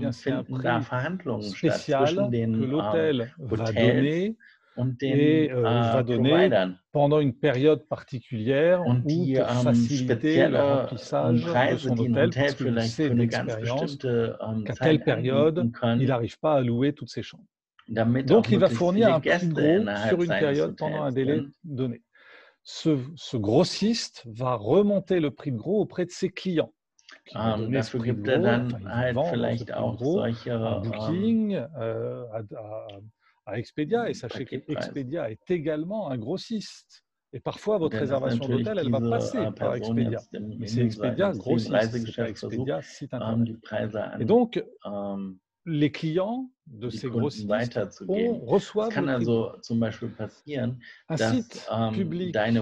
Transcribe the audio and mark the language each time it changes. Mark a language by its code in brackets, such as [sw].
[fr] C'est un prix spécial que l'hôtel va donner pendant une période particulière ou pour faciliter le remplissage de son hôtel, parce que c'est une expérience qu'à telle période, il n'arrive pas à louer toutes ses chambres. Donc, il va fournir un prix gros sur une période pendant un délai donné. Ce grossiste va remonter le prix de gros auprès de ses clients. [de] Dafür gibt er dann halt vielleicht auch solche [fr] Booking à Expedia. Et sachez que Expedia est également un grossiste. Et parfois, votre réservation d'hôtel, elle va passer par Expedia. Mais c'est Expedia grossiste, c'est Expedia site internet. Et donc, les clients de ces grossistes reçoivent un site public,